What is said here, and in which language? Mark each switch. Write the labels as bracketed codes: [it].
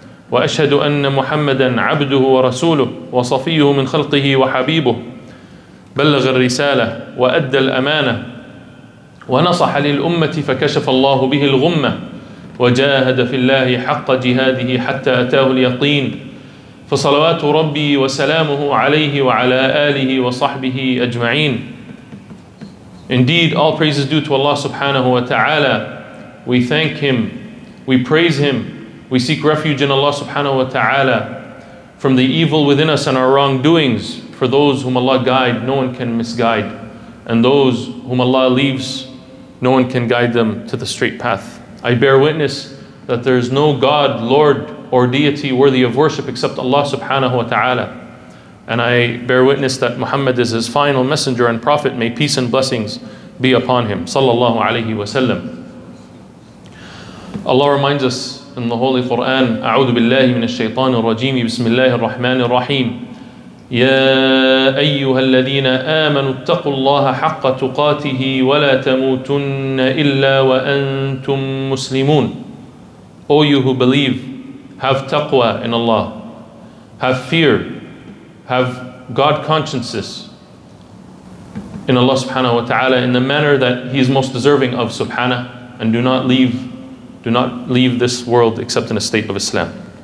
[ar] وأشهد أن محمدًا عبده ورسوله وصفيه من خلقه وحبيبه، بلغ الرسالة وأدى الأمانة ونصح للأمة، فكشف الله به الغمة، وجاهد في الله حق جهاده حتى أتاه اليقين. فصلوات ربي وسلامه عليه وعلى آله وصحبه أجمعين. [en] Indeed, all praises due to Allah subhanahu wa ta'ala. We thank Him, we praise Him, we seek refuge in Allah subhanahu wa ta'ala from the evil within us and our wrongdoings. For those whom Allah guide, no one can misguide. And those whom Allah leaves, no one can guide them to the straight path. I bear witness that there is no God, Lord, or deity worthy of worship except Allah subhanahu wa ta'ala. And I bear witness that Muhammad is His final messenger and prophet. May peace and blessings be upon him. Sallallahu alayhi wa sallam. Allah reminds us in the Holy Quran, [ar] أعوذ بالله من الشيطان الرجيم بسم الله الرحمن الرحيم يا أيها الذين آمنوا اتقوا الله حق تقاته ولا تموتن إلا وأنتم مسلمون. [en] O you who believe, have taqwa in Allah, have fear, have God consciences in Allah subhanahu wa ta'ala in the manner that He is most deserving of subhanah, and do not leave. Do not leave this world except in a state of Islam.